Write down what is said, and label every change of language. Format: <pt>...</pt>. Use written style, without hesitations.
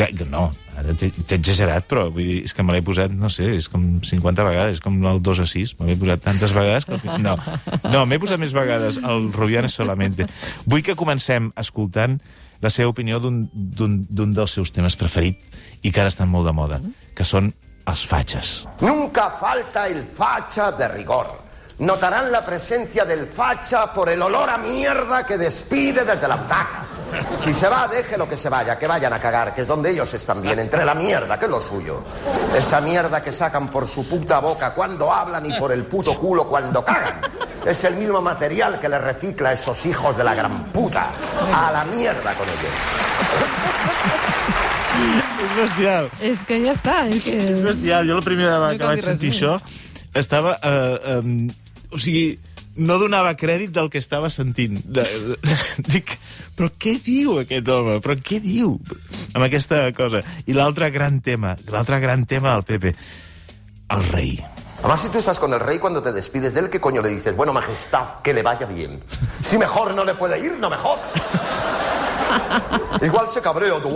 <ca>No, ara t'he exagerat, però vull dir, és que me l'he posat, no sé, és com 50 vegades, és com el 2 a 6, me l'he posat tantes vegades que... No, m'he posat més vegades el Rubianes solamente. Vull que comencem escoltant la seva opinió d'un dels seus temes preferits i que ara estan molt de moda, que són els fachas.</ca> <es>Nunca falta el facha de rigor. Notarán la presencia del facha por el olor a mierda que despide desde la butaca. Si se va, deje lo que se vaya, que vayan a cagar, que es donde ellos están bien, entre la mierda, que es lo suyo. Esa mierda que sacan por su puta boca cuando hablan y por el puto culo cuando cagan. Es el mismo material que le recicla a esos hijos de la gran puta. A la mierda con ellos.</es> <ca>És bestial. És que ja està. És bestial. Jo la primera vegada que vaig sentir això estava... o sigui... No donava crèdit del que estava sentint. Dic, però què diu aquest home? Però què diu amb aquesta cosa? I l'altre gran tema del Pepe, el rei.</ca> <es>Además, si tú estás con el rey, cuando te despides de él, ¿qué coño le dices? Bueno, majestad, que le vaya bien. Si mejor no le puede ir, no mejor. Igual se cabrea.</es>